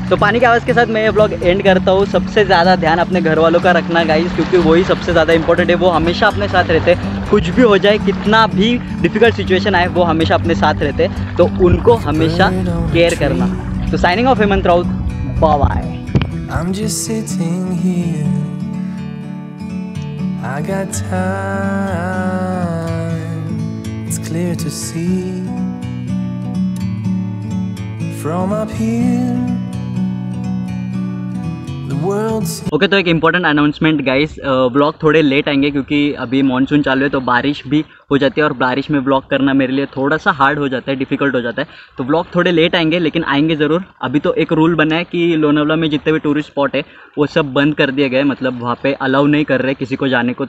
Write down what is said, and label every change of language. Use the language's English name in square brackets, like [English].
[Hindi] तो पानी की आवाज़ के साथ मैं ये व्लॉग एंड करता हूँ। सबसे ज़्यादा ध्यान अपने घर वालों का रखना गाइस, क्योंकि वही सबसे ज़्यादा इंपॉर्टेंट है। वो हमेशा अपने साथ रहते, कुछ भी हो जाए, कितना भी डिफिकल्ट सिचुएशन आए, वो हमेशा अपने साथ रहते, तो उनको हमेशा केयर करना। तो signing off Hemant Raut, bye bye. [English] I'm just sitting here, I got time, it's clear to see, from up here, the world's... [Hindi] Okay, तो एक [English] important announcement guys, [Hindi] vlog थोड़े late आएंगे, क्योंकि अभी monsoon चालू है तो बारिश भी हो जाती है, और बारिश में व्लॉग करना मेरे लिए थोड़ा सा हार्ड हो जाता है, डिफ़िकल्ट हो जाता है। तो व्लॉग थोड़े लेट आएंगे, लेकिन आएंगे ज़रूर। अभी तो एक रूल बना है कि लोनावला में जितने भी टूरिस्ट स्पॉट है वो सब बंद कर दिए गए, मतलब वहाँ पे अलाउ नहीं कर रहे किसी को जाने को।